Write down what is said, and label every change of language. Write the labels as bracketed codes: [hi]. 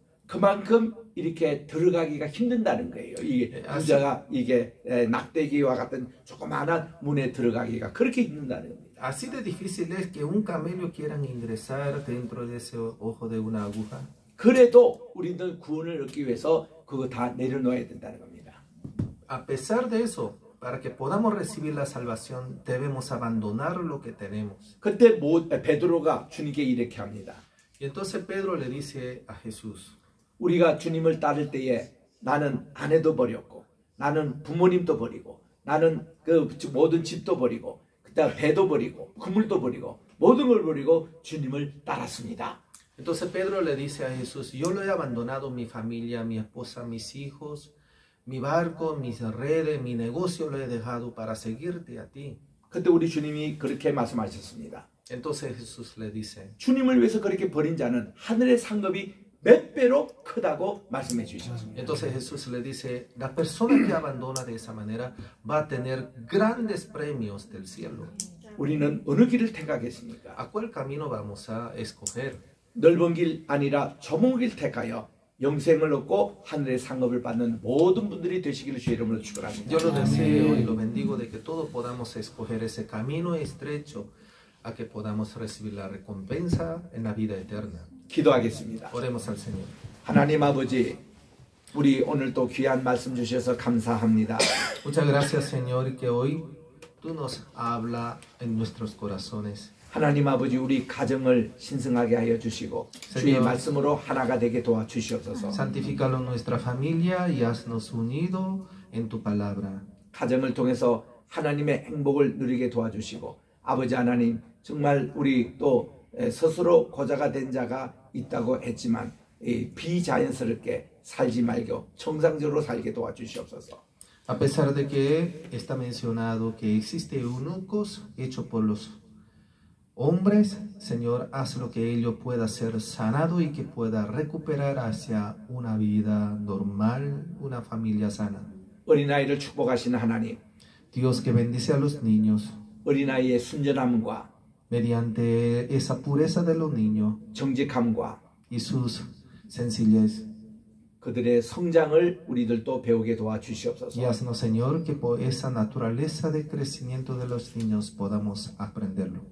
[ko] 그만큼 이렇게 들어가기가 힘든다는 거예요. 이게 부자가 이게 낙대기와 같은 조그마한 문에 들어가기가 그렇게 힘든다는 겁니다. [es] Así de difícil es que un camello quiera ingresar dentro de ese ojo de una aguja. [ko] 그래도 우리는 구원을 얻기 위해서 그거 다 내려놓아야 된다는 겁니다. [es] A pesar de eso, para que podamos recibir la salvación, debemos abandonar lo que tenemos. [ko] 그때 베드로가 주님께 이렇게 합니다. [es] Y entonces Pedro le dice a Jesús, [ko] 우리가 주님을 따를 때에 나는 아내도 버렸고, 나는 부모님도 버리고, 나는 그 모든 집도 버리고, 그다음 배도 버리고, 그물도 버리고, 모든 걸 버리고 주님을 따랐습니다. [es] Entonces Pedro le dice a Jesús, yo lo he abandonado, mi familia, mi esposa, mis hijos, mi barco, mis redes, mi negocio lo he dejado para seguirte a ti. [ko] 그때 우리 주님이 그렇게 말씀하셨습니다. [es] Entonces Jesús le dice, [ko] 주님을 위해서 그렇게 버린 자는 하늘의 상급이 몇 배로 크다고 말씀해 주셨습니다. [es] Entonces Jesús le dice, la persona que abandona de esa manera va a tener grandes premios del cielo. [ko] 우리는 어느 길을 택하겠습니까? [es] ¿A cuál camino vamos a escoger? [ko] 넓은 길 아니라 좁은 길 택하여 영생을 얻고 하늘의 상급을 받는 모든 분들이 되시기를 주의 이름으로 축원합니다. [es] Yo lo deseo y lo bendigo de que todos podamos escoger ese camino estrecho a que podamos recibir la recompensa en la vida eterna. [ko] 기도하겠습니다. [es] Oremos al Señor. [ko] 하나님 아버지, 우리 오늘 또 귀한 말씀 주셔서 감사합니다. [es] Muchas gracias, Señor, que hoy tú nos habla en nuestros corazones. [ko] 하나님 아버지 우리 가정을 신승하게 하여 주시고 주의 말씀으로 하나가 되게 도와주시옵소서. [es] Santificalo nuestra familia y haznos unido en tu palabra. [ko] 가정을 통해서 하나님의 행복을 누리게 도와주시고 아버지 하나님 정말 우리 또 스스로 고자가 된 자가 있다고 했지만 비자연스럽게 살지 말고 정상적으로 살게 도와주시옵소서. [es] A pesar de que está mencionado que existe eunucos hecho por los hombres, Señor, haz lo que ellos pueda ser sanado y que pueda recuperar hacia una vida normal, una familia sana. [ko] 어린아이를 축복하시는 하나님, [es] Dios que bendice a los niños. [ko] 어린아이의 순전함과 [es] mediante esa pureza de los niños. [ko] 정직함과 [es] y sus sencillez. [ko] 그들의 성장을 우리들도 배우게 도와주시옵소서. [es] Y haznos, Señor, que por esa naturaleza de crecimiento de los niños podamos aprenderlo.